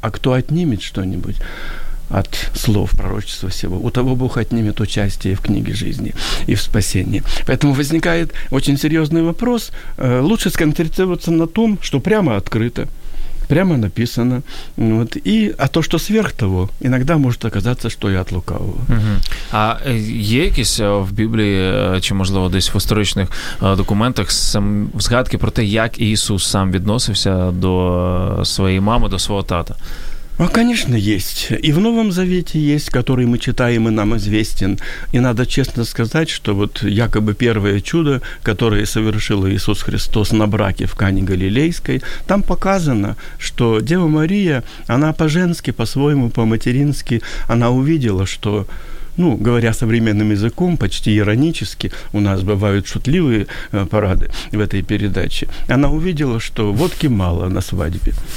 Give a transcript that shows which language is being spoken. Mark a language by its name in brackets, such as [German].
[Russian] А кто отнимет что-нибудь от слов пророчества сего, у того Бог отнимет участие в книге жизни и в спасении. Поэтому возникает очень серьезный вопрос. Лучше сконцентрироваться на том, что прямо открыто, прямо написано. Вот. И, а то, что сверх того, иногда может оказаться, что и от лукавого. [Ukrainian] А є якісь в Біблії, чи, можливо, десь в історичних документах згадки про те, як Ісус сам відносився до своєї мами, до свого тата? [Russian] А, конечно, есть. И в Новом Завете есть, который мы читаем и нам известен. И надо честно сказать, что вот якобы первое чудо, которое совершил Иисус Христос на браке в Кане Галилейской, там показано, что Дева Мария, она по-женски, по-своему, по-матерински, она увидела, что, ну, говоря современным языком, почти иронически, у нас бывают шутливые парады в этой передаче, она увидела, что водки мало на свадьбе.